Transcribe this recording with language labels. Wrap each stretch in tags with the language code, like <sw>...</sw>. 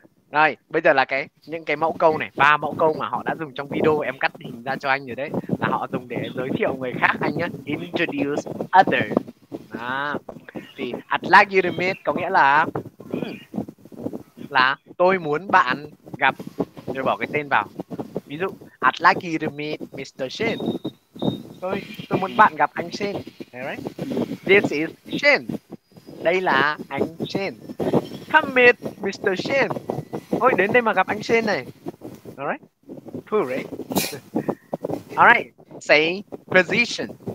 <vi>Rồi, bây giờ là cái những cái mẫu câu này, ba mẫu câu mà họ đã dùng trong video em cắt hình ra cho anh rồi đấy, là họ dùng để giới thiệu người khác anh nhá.</vi> <en>Introduce other.</en> <vi>À, thì</vi> <en>I'd like you to meet</en> <vi>có nghĩa là tôi muốn bạn gặp, rồi bỏ cái tên vào. Ví dụ,</vi> <en>I'd like you to meet Mr. Shane.</en> <vi>Tôi muốn bạn gặp anh Shane.</vi> <en>All right. This is Shane.</en> <vi>Đây là anh Shane.</vi> <en>Come meet Mr. Shane.</en> <vi>Ôi, đến đây mà gặp anh Shane này.</vi> <en>Alright. Cool, right? Alright. Say position.</en>